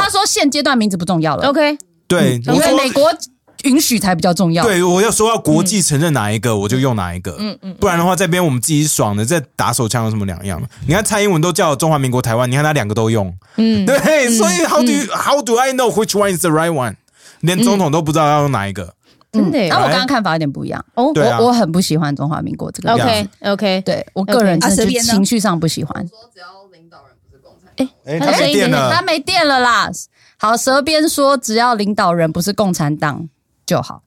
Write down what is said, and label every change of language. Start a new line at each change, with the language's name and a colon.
Chinese: 他说现阶段名字不重要了。 OK，对，我说美国允许才比较重要。对，我要说要国际承认哪一个，我就用哪一个。嗯，不然的话，在边我们自己爽的，在打手枪有什么两样？你看蔡英文都叫中华民国台湾，你看他两个都用。嗯，对，所以
English: how do I know which one is the right one？
Chinese: 连总统都不知道要用哪一个，真的。那我刚刚看法有点不一样。哦，对啊，我很不喜欢中华民国这个。 OK OK，对我个人真的就情绪上不喜欢。说只要领导人不是共产党，哎，他没电了，他没电了啦。好，蛇边说只要领导人不是共产党就好。